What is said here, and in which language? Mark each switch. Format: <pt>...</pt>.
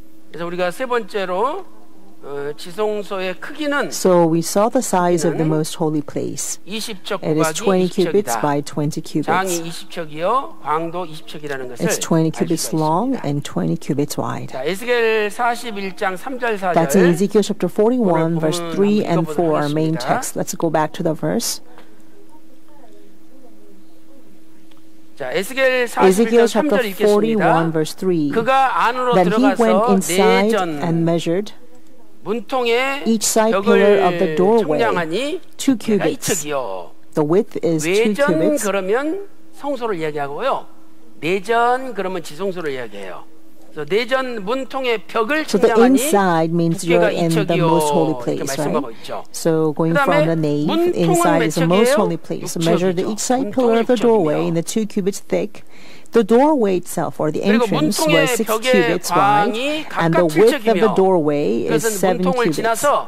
<ko>그래서 우리가 세 번째로 지성소의 크기는</ko> <en>So we saw the size of the most holy place.</en> <ko>20척</ko> <en>It is 20 cubits by 20 cubits.</en> <ko>장이 20척이요, 광도 20척이라는 것을</ko> <en>It's 20 cubits long and 20 cubits wide.</en> <ko>자, 에스겔 41장 3절 4절.</ko> <en>That's in Ezekiel chapter 41 verse 3 and 4 our main text. Let's go back to the verse.</en> <ko>자, 에스겔 41장 3절 읽겠습니다. 그가 안으로</ko> <en>Then</en> <ko>들어가서</ko> <en>he went inside and measured Each side pillar of the doorway,</en> <ko>청량하니,</ko> <en>2 cubits. The width is</en> <ko>외전,</ko> <en>2 cubits.</en> <ko>그러면 성소를 이야기하고요. 내전 그러면 지성소를 이야기해요. 내전 문통의 벽을</ko> <en>So the inside means you're in the most holy place, right? So going from the nave inside is the most holy place. So measure the each side pillar of the doorway in the two cubits thick. The doorway itself, or the entrance, was 6 cubits wide, and the width of the doorway is 7 cubits.</en>